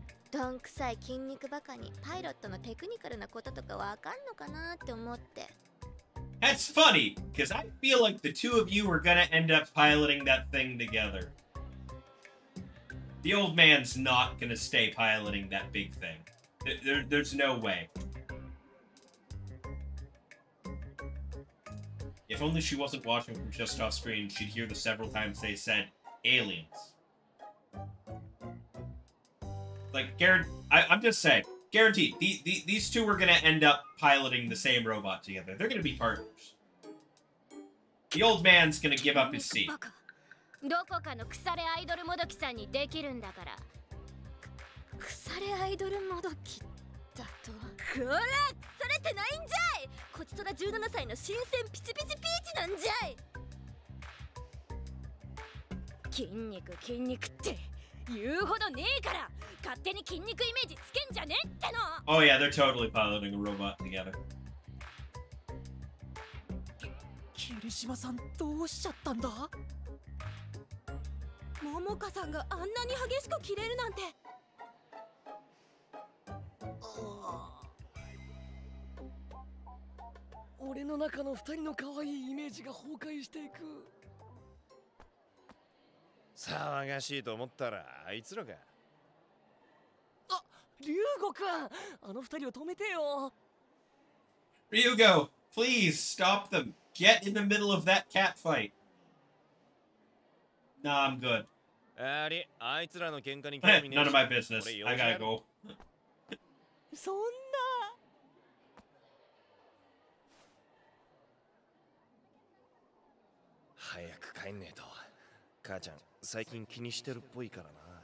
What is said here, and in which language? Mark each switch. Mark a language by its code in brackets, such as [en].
[ja] どんくさい筋肉バカにパイロットのテクニカルなこととかわかんのかなって思って。 [en] That's funny, because I feel like the two of you are gonna end up piloting that thing together. The old man's not gonna stay piloting that big thing. There's no way. If only she wasn't watching from just off screen, she'd hear the several times they said, aliens. Like, I'm just saying, guaranteed, these two are gonna end up piloting the same robot together. They're gonna be partners. The old man's gonna give up his seat. [ja] どこかの腐れアイドルもどきさんにできるんだから。腐れアイドルもどきだと。こら腐れてないんじゃい。こちとら17歳の新鮮ピチピチピーチなんじゃい。筋肉筋肉って言うほどねえから、勝手に筋肉イメージつけんじゃねえっての。 [en] Oh yeah, they're totally piloting a robot together. [ja] 桐島さんどうしちゃったんだ？モモカさんがあんなに激しく切れるなんて。俺の中の二人の可愛いイメージが崩壊していく。騒がしいと思ったらあいつらか。あ、リュウゴくん、あの二人を止めてよ。 [en] リュウゴ、please stop them. Get in the middle of that cat fight. No, I'm good. [ja] あいつらの喧嘩に興味ねえ。 [en] None of my business. I gotta go. [ja] そんな。早く帰んねえと。母ちゃん、最近気にしてるっぽいからな。